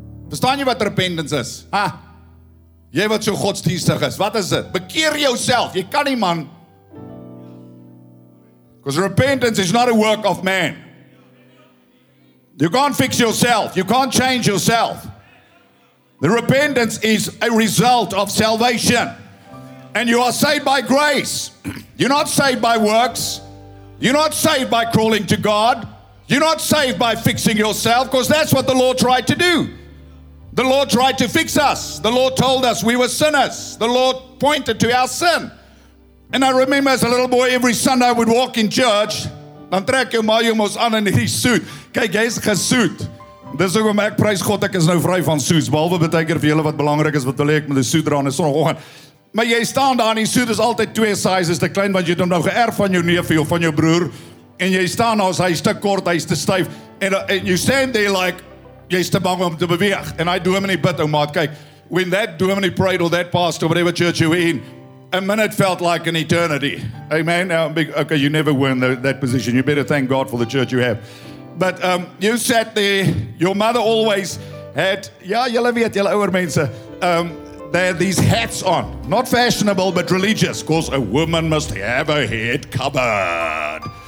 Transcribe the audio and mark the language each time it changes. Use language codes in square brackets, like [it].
[af] Verstaan jy wat repentance is? Ha? Jy wat so godsdienstig is, wat is dit? Bekeer jouself, jy kan nie, man. [en] Because repentance is not a work of man. You can't fix yourself, you can't change yourself. The repentance is a result of salvation. And you are saved by grace. You're not saved by works. You're not saved by crawling to God. You're not saved by fixing yourself, because that's what the Lord tried to do. The Lord tried to fix us. The Lord told us we were sinners. The Lord pointed to our sin. And I remember as a little boy, every Sunday I would walk in church. [af] Dan trek jou maar jou mos aan in hierdie suit. Kyk, jy's gesuit. Dis ook om ek prys God, ek is nou vry van suits. Behalwe beteken vir julle wat belangrik is, wat wil ek met die suit dra in die sonoggend. Maar jy staan daar, die suit is altyd 2 sizes te klein, want jy het hom nou geërf van jou neef of van jou broer. En jy staan daar, hy is te kort, hy is te stijf. [en] And you stand there like, [af] jy is te bang om te beweeg. En hy dominee bid, oh maat, kyk, [en] when that dominee prayed or that pastor, whatever church you were in, a minute felt like an eternity. Amen? Now, okay, you never were in that position. You better thank God for the church you have. But you sat there, your mother always had, [af] ja, jylle weet, jylle ouwe mense, [en] they had these hats on, not fashionable, but religious, because a woman must have a head covered.